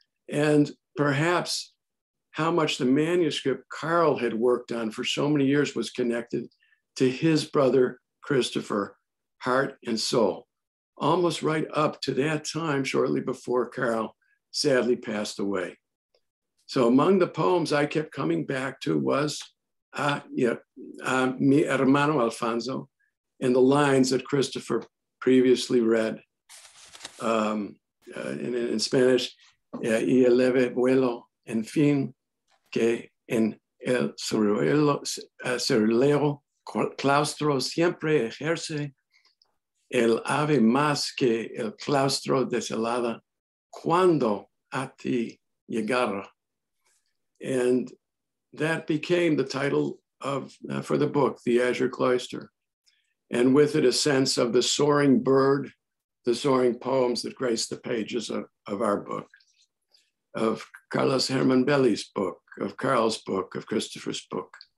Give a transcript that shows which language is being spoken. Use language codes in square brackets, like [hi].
[en] And perhaps how much the manuscript Carl had worked on for so many years was connected to his brother, Christopher, heart and soul, almost right up to that time, shortly before Carl sadly passed away. So among the poems I kept coming back to was Mi Hermano Alfonso, and the lines that Christopher previously read in Spanish, [es] y el leve vuelo, en fin, que en el cerulero claustro siempre ejerce el ave más que el claustro desolada, cuando a ti llegara. [en] And that became the title of for the book, The Azure Cloister. And with it, a sense of the soaring bird, the soaring poems that grace the pages of our book, of Carlos Herman Belli's book, of Carl's book, of Christopher's book.